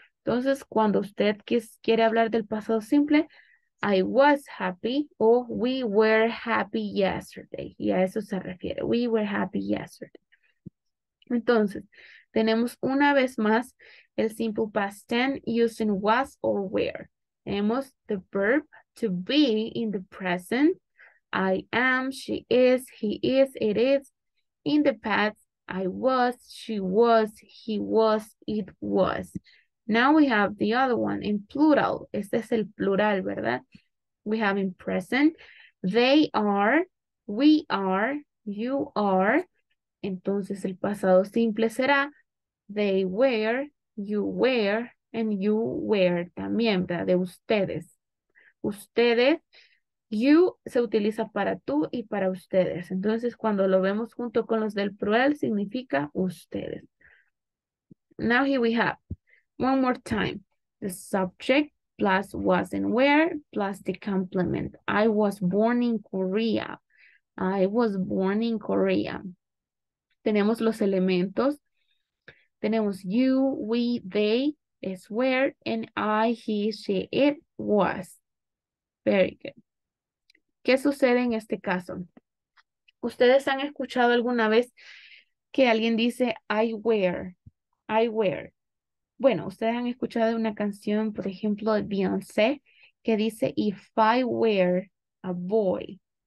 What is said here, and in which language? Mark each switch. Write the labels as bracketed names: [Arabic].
[Spanish] Entonces, cuando usted quiere hablar del pasado simple, [English] I was happy o we were happy yesterday. [Spanish] Y a eso se refiere, [English] we were happy yesterday. [Spanish] Entonces, tenemos una vez más [English] el simple past tense using was or were. Tenemos the verb to be in the present. I am, she is, he is, it is. In the past, I was, she was, he was, it was. Now we have the other one in plural. [Spanish] Este es el plural, ¿verdad? [English] We have in present. They are, we are, you are. [Spanish] Entonces el pasado simple será [English] they were, you were, and you were. [Spanish] También, ¿verdad? De ustedes. Ustedes. You se utiliza para tú y para ustedes. Entonces, cuando lo vemos junto con los del plural, significa ustedes. [English] Now here we have, one more time, the subject plus was and where plus the complement. I was born in Korea. I was born in Korea. [Spanish] Tenemos los elementos. Tenemos [English] you, we, they, is where, and I, he, she, it, was. Very good. [Spanish] ¿Qué sucede en este caso? ¿Ustedes han escuchado alguna vez que alguien dice [English] I wear? I wear. [Spanish] Bueno, ustedes han escuchado una canción, por ejemplo, de Beyoncé, que dice [English] If I were a boy.